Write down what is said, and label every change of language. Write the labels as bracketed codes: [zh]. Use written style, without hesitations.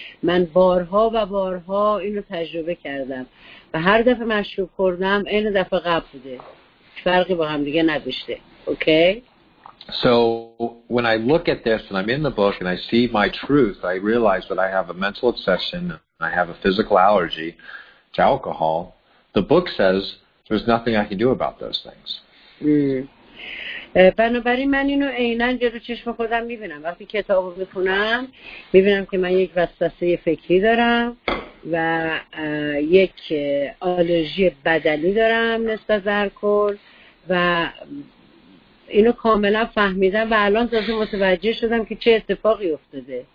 [fa] من بارها و بارها اینو تجربه کردم و هر دفعه مشروب خوردم این دفعه قبل بوده، فرقی با هم دیگه نداشته. اوکی؟ [en] So when I look at this and I'm in the book and I see my truth, I realize that I have a mental obsession and I have a physical allergy to alcohol. The book says there's nothing I can do about those things. [fa] بنابراین من اینو عیناً جلو چشم خودم میبینم. وقتی کتابو میخونم میبینم که من یک وسوسه فکری دارم و یک آلرژی بدنی دارم نسبت به الکل و اینو کاملا فهمیدم و الان تازه متوجه شدم که چه اتفاقی افتاده.